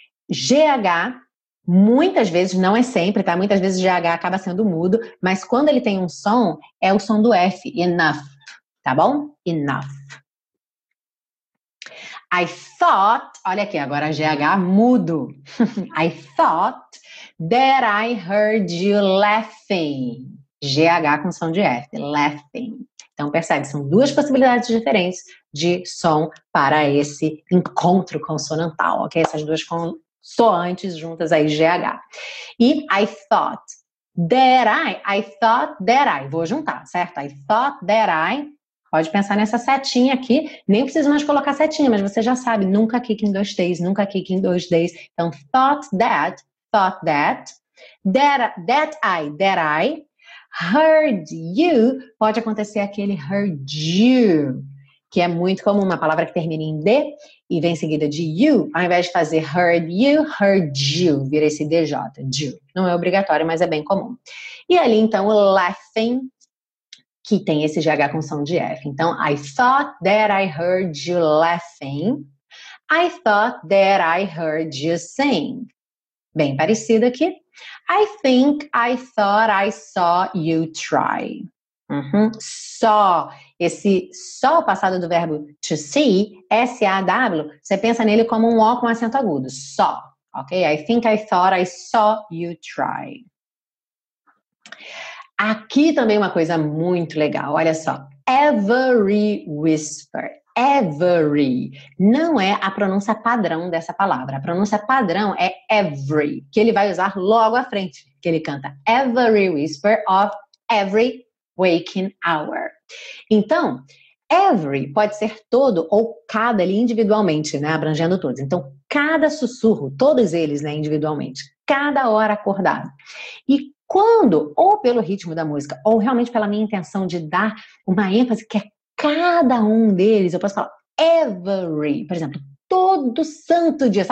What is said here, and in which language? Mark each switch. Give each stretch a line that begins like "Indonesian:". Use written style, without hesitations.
Portuguese: GH, muitas vezes, não é sempre, tá? Muitas vezes GH acaba sendo mudo, mas quando ele tem um som, é o som do F, enough. Tá bom? Enough.
English: I thought,
Portuguese: olha aqui, agora GH mudo.
English: I thought that I heard you laughing.
Portuguese: GH com som de F, laughing. Então percebe, são duas possibilidades diferentes de som para esse encontro consonantal, ok? Essas duas consoantes juntas aí, GH.
English: E I thought that I thought that I,
Portuguese: vou juntar, certo?
English: I thought that I.
Portuguese: Pode pensar nessa setinha aqui, nem preciso mais colocar setinha, mas você já sabe, nunca kick em dois T's, nunca kick em dois D's. Então,
English: thought that, that I, heard you,
Portuguese: pode acontecer aquele heard you, que é muito comum, uma palavra que termina em D e vem seguida de you, ao invés de fazer heard you, vira esse DJ, you. Não é obrigatório, mas é bem comum. E ali, então, o laughing, que tem esse GH com som de F.
English: Então, I thought that I heard you laughing. I thought that I heard you sing.
Portuguese: Bem parecido aqui.
English: I think I thought I saw you try. Uhum. Saw.
Portuguese: Esse saw passado do verbo to see, S-A-W, você pensa nele como um O com acento agudo.
English: Saw. Ok? I think I thought I saw you try.
Portuguese: Aqui também uma coisa muito legal, olha só.
English: Every whisper, every.
Portuguese: Não é a pronúncia padrão dessa palavra. A pronúncia padrão é every, que ele vai usar logo à frente, que ele canta.
English: Every whisper of every waking hour.
Portuguese: Então, every pode ser todo ou cada ali individualmente, né? Abrangendo todos. Então, cada sussurro, todos eles, né? Individualmente. Cada hora acordado. E quando, ou pelo ritmo da música, ou realmente pela minha intenção de dar uma ênfase que é cada um deles, eu posso falar every, por exemplo, todo santo dia.